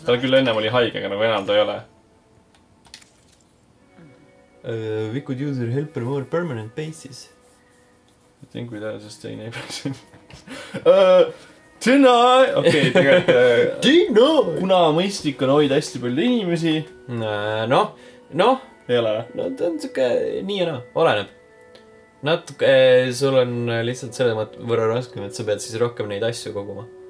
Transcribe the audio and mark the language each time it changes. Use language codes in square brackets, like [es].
[et] Ta küll ennem oli haige, aga nagu enam ta ei ole. [en] We could use your helper more permanent basis. I think we have just stayed neighbors. [et] Tonight! Okei, tegelikult... Dino! Kuna mõistlik on hoida hästi palju inimesi. No. Ei ole. No, ta on siuke nii ja no. Oleneb. Natuke, sul on lihtsalt selle võrra raskem, et sa pead siis rohkem neid asju koguma.